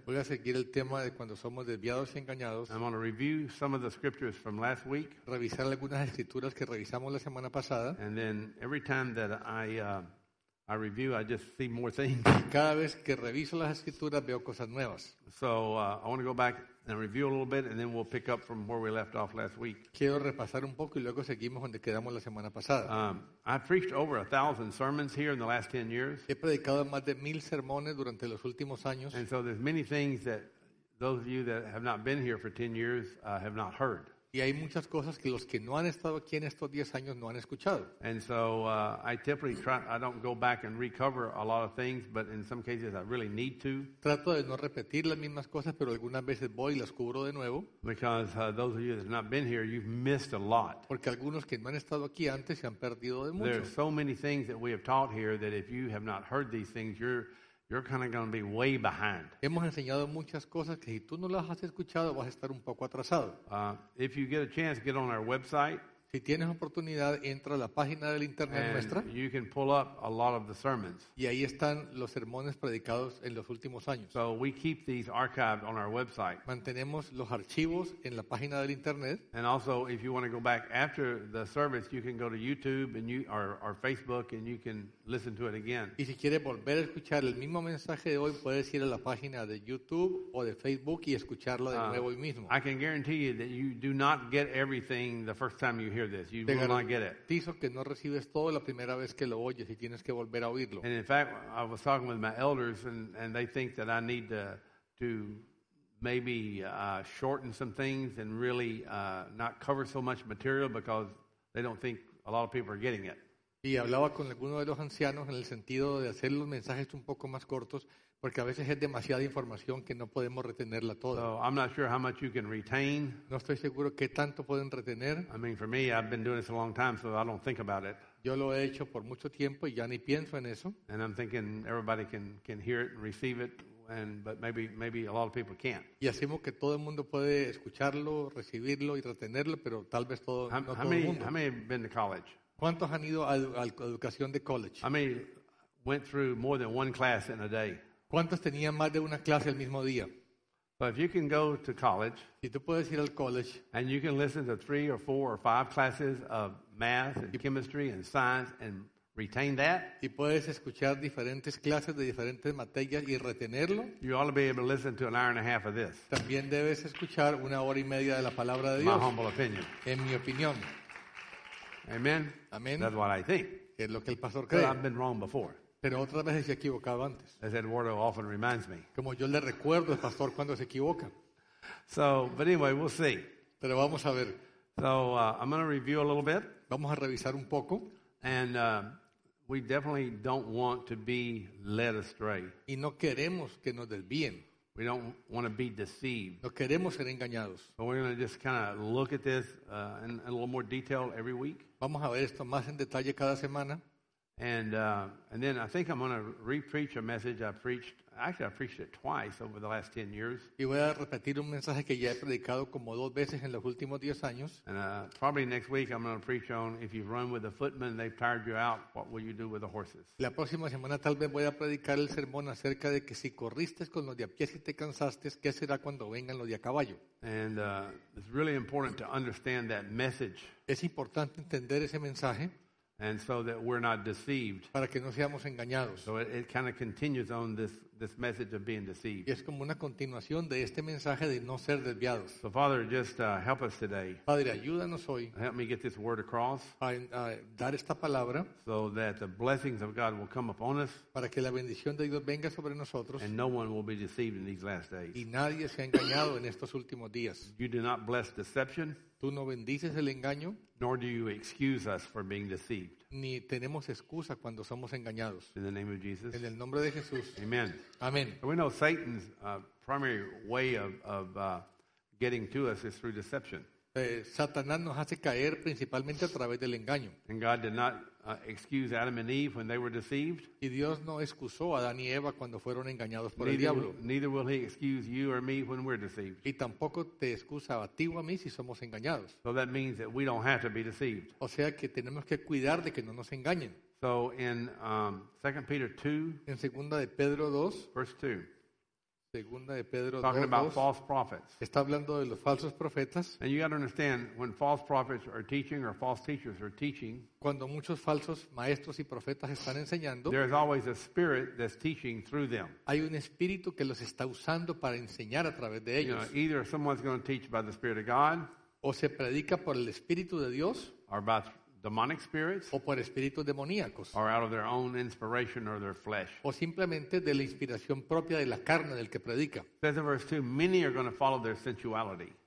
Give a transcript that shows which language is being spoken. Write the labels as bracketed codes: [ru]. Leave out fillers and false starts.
[es] Voy a seguir el tema de cuando somos desviados y engañados. [en] I'm going to review some of the scriptures from last week. [es] Revisar algunas escrituras que revisamos la semana pasada. [en] And then every time that I review, I just see more things. [es] Cada vez que reviso las escrituras veo cosas nuevas. [en] So I want to go back and review a little bit, and then we'll pick up from where we left off last week. [es] Quiero repasar un poco y luego seguimos donde quedamos la semana pasada. [en] I've preached over 1,000 sermons here in the last 10 years. [es] He predicado más de 1,000 sermones durante los últimos años. [en] And so there's many things that those of you that have not been here for 10 years have not heard. [es] Y hay muchas cosas que los que no han estado aquí en estos 10 años no han escuchado. [en] And so I typically try, I don't go back and recover a lot of things, but in some cases I really need to. [es] Trato de no repetir las mismas cosas, pero algunas veces voy y las cubro de nuevo. [en] Because those of you that have not been here, you've missed a lot. [es] Porque algunos que no han estado aquí antes se han perdido de mucho. [en] There are so many things that we have taught here that if you have not heard these things, you're kind of going to be way behind. [es] Hemos enseñado muchas cosas que si tú no las has escuchado vas a estar un poco atrasado. [en] If you get a chance, get on our website. [es] Si tienes oportunidad, entra a la página del internet nuestra. [en] You can pull up a lot of the sermons. [es] Y ahí están los sermones predicados en los últimos años. [en] So we keep these archived on our website. [es] Mantenemos los archivos en la página del internet. [en] And also, if you want to go back after the service, you can go to YouTube and or Facebook and you can listen to it again. [es] Y si quieres volver a escuchar el mismo mensaje de hoy, puedes ir a la página de YouTube o de Facebook y escucharlo de nuevo hoy mismo. [en] I can guarantee you that you do not get everything the first time you hear this. You will not get it. [es] Te garantizo que no recibes todo la primera vez que lo oyes y tienes que volver a oírlo. [en] And in fact, I was talking with my elders and they think that I need to maybe shorten some things and really not cover so much material because they don't think a lot of people are getting it. [es] Y hablaba con alguno de los ancianos en el sentido de hacer los mensajes un poco más cortos porque a veces es demasiada información que no podemos retenerla toda. [en] So I'm not sure how much you can retain. [es] No estoy seguro qué tanto pueden retener. [en] I mean, for me, I've been doing this a long time, so I don't think about it. [es] Yo lo he hecho por mucho tiempo y ya ni pienso en eso. [en] And I'm thinking everybody can hear it and receive it, but maybe a lot of people can't. [es] Y asumo que todo el mundo puede escucharlo, recibirlo y retenerlo, pero tal vez todo, no todo [en] how many, [es] el mundo. [en] How many have been to college? [es] ¿Cuántos han ido a educación de college? [en] I mean, went through more than one class in a day. [es] ¿Cuántos tenían más de una clase el mismo día? [en] But if you can go to college, [es] si tú puedes ir al college, [en] and you can listen to 3 or 4 or 5 classes of math and chemistry and science and retain that, [es] y puedes escuchar diferentes clases de diferentes materias y retenerlo, [en] you ought to be able to listen to an hour and a half of this. [es] También debes escuchar una hora y media de la palabra de Dios. [en] My humble opinion. [es] En mi opinión. [en] Amen. [es] Amen. [en] That's what I think. [es] Es lo que el pastor cree. [en] But I've been wrong before. [es] Pero otras veces se ha equivocado antes. [en] As Eduardo often reminds me. [es] Como yo le recuerdo al pastor cuando se equivoca. [en] So, but anyway, we'll see. [es] Pero vamos a ver. [en] So, I'm going to review a little bit. [es] Vamos a revisar un poco. [en] And we definitely don't want to be led astray. [es] Y no queremos que nos desvíen. [en] We don't want to be deceived. [es] No queremos ser engañados. [en] So we're going to just kind of look at this in a little more detail every week. [es] Vamos a ver esto más en detalle cada semana. [en] And then I think I'm going to re-preach a message I preached. Actually, I preached it twice over the last 10 years. [es] Y voy a repetir un mensaje que ya he predicado como dos veces en los últimos 10 años. [en] And probably next week I'm going to preach on if you run with the footmen, they've tired you out, what will you do with the horses? [es] La próxima semana tal vez voy a predicar el sermón acerca de que si corriste con los de a pie y si te cansaste, ¿qué será cuando vengan los de a caballo? [en] And it's really important to understand that message. [es] Es importante entender ese mensaje. [en] And so that we're not deceived. [es] Para que no seamos engañados. [en] So it kind of continues on this message of being deceived. [es] Y es como una continuación de este mensaje de no ser desviados. [en] So Father, just help us today. [es] Padre, ayúdanos hoy. [en] Help me get this word across. [es] Dar esta palabra. [en] So that the blessings of God will come upon us. [es] Para que la bendición de Dios venga sobre nosotros. [en] And no one will be deceived in these last days. [es] Y nadie se ha engañado en estos últimos días. [en] You do not bless deception. [es] Tú no bendices el engaño. [en] Nor do you excuse us for being deceived. [es] Ni tenemos excusa cuando somos engañados. [en] In the name of Jesus. [es] En el nombre de Jesús. [en] Amen. [es] Amen. [en] We know Satan's primary way of getting to us is through deception. [es] Satanás nos hace caer principalmente a través del engaño. [en] And God did not excuse Adam and Eve when they were deceived. [es] Y Dios no excusó a Adán y Eva cuando fueron engañados por el diablo. [en] Neither will he excuse you or me when we're deceived. [es] Y tampoco te excusa a ti o a mí si somos engañados. [en] So that means that we don't have to be deceived. [es] O sea que tenemos que cuidar de que no nos engañen. [en] So in 2 Peter 2, [es] en Segunda de Pedro 2, [en] verse 2, [es] Segunda de Pedro [en] talking [es] 2, [en] about false prophets. [es] Está hablando de los falsos profetas. [en] And you got to understand, when false prophets are teaching or false teachers are teaching, [es] cuando muchos falsos maestros y profetas están enseñando, [en] there is always a spirit that's teaching through them. [es] Hay un espíritu que los está usando para enseñar a través de ellos. [en] You know, either someone's going to teach by the Spirit of God, [es] o se predica por el Espíritu de Dios, [en] or by demonic spirits, [es] o por espíritus demoníacos, [en] or out of their own inspiration or their flesh, [es] o simplemente de la inspiración propia de la carne del que predica. [en] Says in verse 2, many are going to follow their sensuality.